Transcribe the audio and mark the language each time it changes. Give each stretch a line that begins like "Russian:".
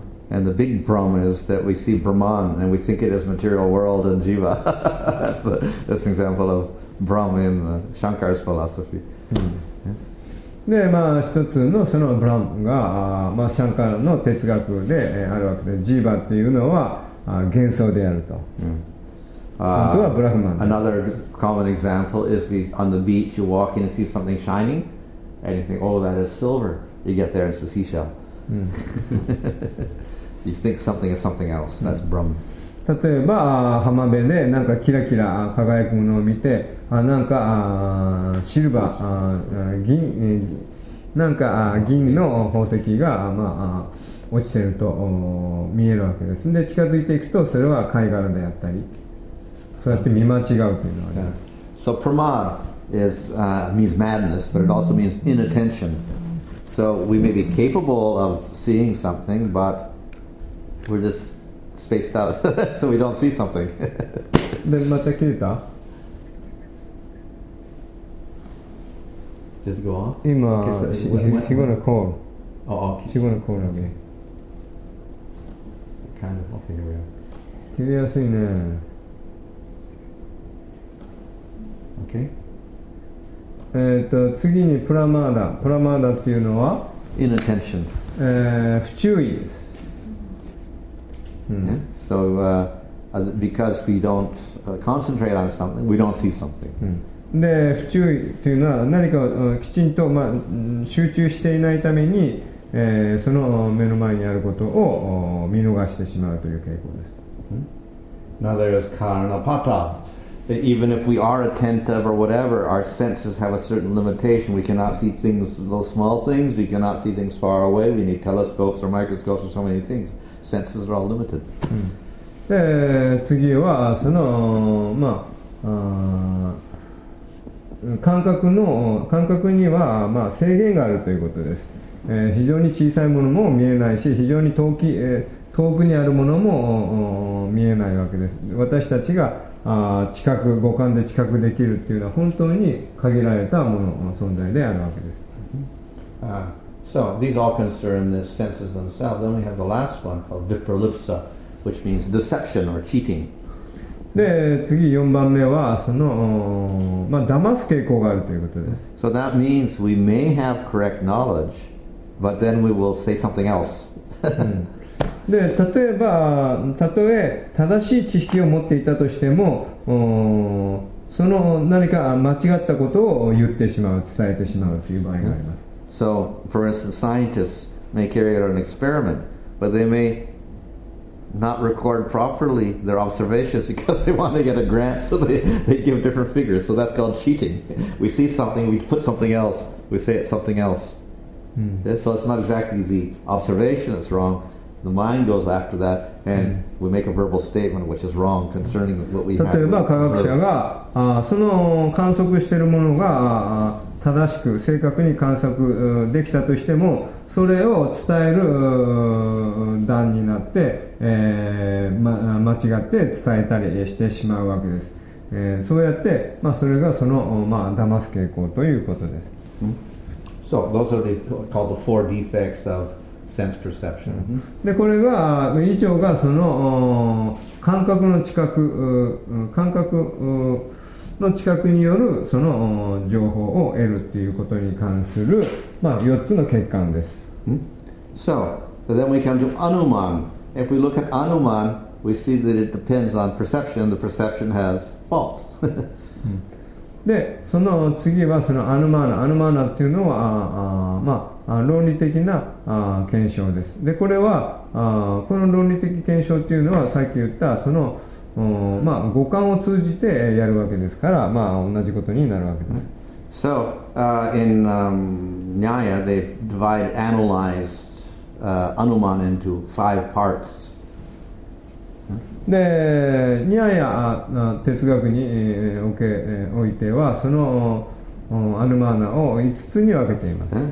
English: And the big problem is that we see Brahman and we think it is material world and jiva. that's an example of Brahman in the Shankar's philosophy.
Japanese: で、まあ一つのそのブラムが、まあシャンカラの哲学であるわけで、ジーバっていうのは幻想であると。本当はブラフマンだ。
English: Another common example is on the beach, you walk in and see something shining, and you think, oh, that is silver. You get there, it's a seashell. You think something is something else. That's Brahm.
Japanese: 例えば浜辺でなんかキラキラ輝くものを見て、なんかシルバー、銀、なんか銀の宝石が、まあ、落ちてると見えるわけです。で近づいていくとそれは貝殻であったり、そうやって見間違うというのがあります
English: So pramad is means madness, but it also means inattention. So we may be capable of seeing something, but we're just spaced out, so we don't see something.
Japanese: で、また切れた？
English: Did it go off?
Japanese: 今、日頃のコール。日頃のコールだけ。
English: Kind of off anyway.
Japanese: 切れやすいね。
English: Okay.
Japanese: 次にプラマーダ。プラマーダっていうのは？
English: Inattention.
Japanese: 不注意です。
English: So, because we don't concentrate on something, we don't see something.
Japanese: で、不注意というのは何かきちんと、まあ、集中していないために、その目の前にあることを見逃してしまうという傾向です。
English: Now there is karanapata. Even if we are attentive or whatever, our senses have a certain limitation. We cannot see things, those small things. We cannot see things far away. We need telescopes or microscopes or so many things. Senses are all limited.
Japanese: で、次はその、まあ、感覚には、まあ、制限があるということです。非常に小さいものも見えないし、非常に遠くにあるものも見えないわけです。私たちが五感で知覚できるというのは本当に限られたものの存在であるわけです。
English: So these all concern the senses themselves. Then we have the last one called vipralipsa, which means deception or cheating.
Japanese: で、次4番目はその、まあ、騙す傾向があるということです。
English: So that means we may have correct knowledge, but then we will say something else.
Japanese: で、たとえ正しい知識を持っていたとしても、その何か間違ったことを言ってしまう、伝えてしまうという場合があります。
English: So, for instance, scientists may carry out an experiment, but they may not record properly their observations because they want to get a grant, so they give different figures. So that's called cheating. We see something, we put something else, we say it's something else. So it's not exactly the observation that's wrong. The mind goes after that, and we make a verbal statement which is wrong concerning what we have.
Japanese: 例えば科学者が、その観測しているものが、正しく正確に観測できたとしても、それを伝える段になって、間違って伝えたりしてしまうわけです。そうやって、まあ、それがその、まあ、騙す傾向ということです。
English: So, those are called the four defects of sense perception.
Japanese: で、これが、以上がその感覚の知覚、感覚の知覚によるその情報を得るということに関する、まあ、4つの欠陥です。
English: So, then we come to Anuman. If we look at Anuman, we see that it depends on perception. The perception has faults.
Japanese: で、その次はそのアヌマーナ。アヌマーナっていうのは、まあ、論理的な検証です。で、これは、この論理的検証っていうのは、さっき言ったそのまあ、五感を通じてやるわけですから、まあ、同じことになるわけです。
English: So, in Nyaya, they've divided, analyzed Anuman into five parts.
Japanese: で、Nyaya哲学においては、そのAnumanaを5つに分けています。